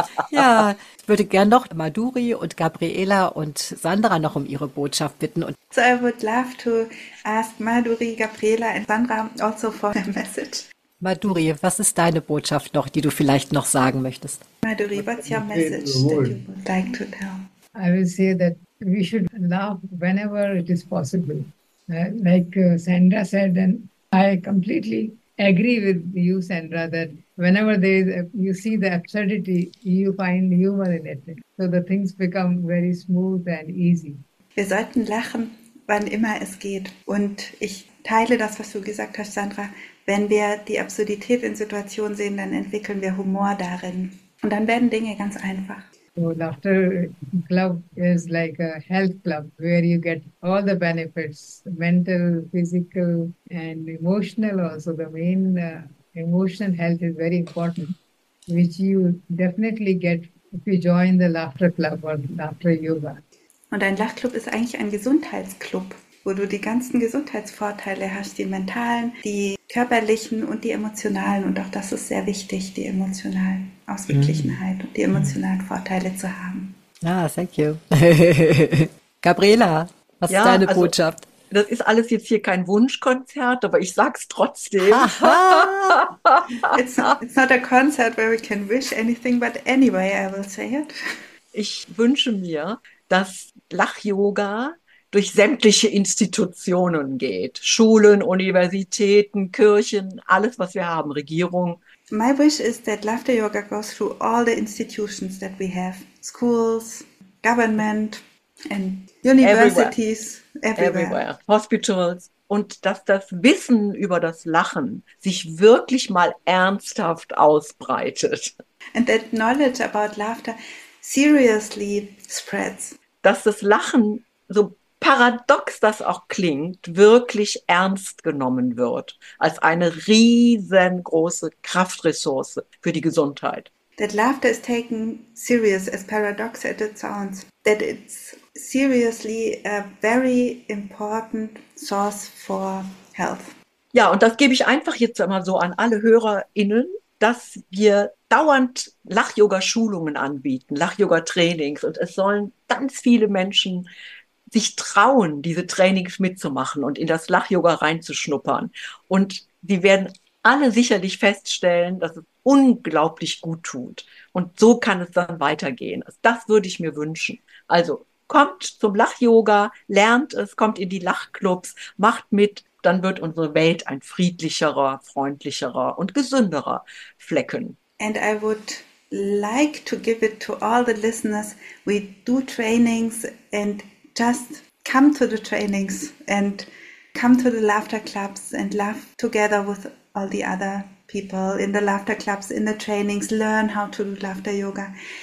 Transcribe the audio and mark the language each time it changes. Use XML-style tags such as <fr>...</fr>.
<de>Ja, ich würde gern noch Maduri und Gabriela und Sandra noch um ihre Botschaft bitten. Und</de> <en>so I would love to ask Maduri, Gabriela and Sandra also for a message.</en> <de>Maduri, was ist deine Botschaft noch, die du vielleicht noch sagen möchtest?</de> <en>Maduri, what's your message that you would like to tell? I will say that we should laugh whenever it is possible. Sandra said, and I completely agree with you, Sandra, that whenever there is you see the absurdity, you find humor in it. So the things become very smooth and easy.</en> <de>Wir sollten lachen, wann immer es geht. Und ich teile das, was du gesagt hast, Sandra. Wenn wir die Absurdität in Situationen sehen, dann entwickeln wir Humor darin. Und dann werden Dinge ganz einfach.</de> <en>So laughter club is like a health club where you get all the benefits, mental, physical and emotional also. The main emotional health is very important, which you definitely get if you join the laughter club or laughter yoga.</en> <de>Und ein Lachclub ist eigentlich ein Gesundheitsclub, wo du die ganzen Gesundheitsvorteile hast, die mentalen, die körperlichen und die emotionalen. Und auch das ist sehr wichtig, die emotionalen Ausgeglichenheit und die emotionalen Vorteile zu haben.</de> <en>Ah, thank you.</en> <de>Gabriela, was ist deine Botschaft? Das ist alles jetzt hier kein Wunschkonzert, aber ich sag's trotzdem.</de> <en>It's not a concert where we can wish anything, but anyway, I will say it.</en> <de>Ich wünsche mir, dass Lach-Yoga durch sämtliche Institutionen geht. Schulen, Universitäten, Kirchen, alles, was wir haben, Regierung.</de> <en>My wish is that laughter yoga goes through all the institutions that we have. Schools, government and universities. Everywhere. Hospitals.</en> <de>Und dass das Wissen über das Lachen sich wirklich mal ernsthaft ausbreitet.</de> <en>And that knowledge about laughter seriously spreads.</en> <de>Dass das Lachen, so paradox das auch klingt, wirklich ernst genommen wird als eine riesengroße Kraftressource für die Gesundheit.</de> <en>That laughter is taken serious, as paradox as it sounds, that it's seriously a very important source for health.</en> <de>Ja, und das gebe ich einfach jetzt einmal so an alle HörerInnen, dass wir dauernd Lach-Yoga-Schulungen anbieten, Lach-Yoga-Trainings, und es sollen ganz viele Menschen sich trauen, diese Trainings mitzumachen und in das Lach-Yoga reinzuschnuppern. Und die werden alle sicherlich feststellen, dass es unglaublich gut tut. Und so kann es dann weitergehen. Das würde ich mir wünschen. Also kommt zum Lach-Yoga, lernt es, kommt in die Lachclubs, macht mit, dann wird unsere Welt ein friedlicherer, freundlicherer und gesünderer Flecken.</de> <en>And I would like to give it to all the listeners. We do trainings and just come to the trainings and come to the laughter clubs and laugh together with all the other people in the laughter clubs, in the trainings, learn how to do laughter yoga.</en>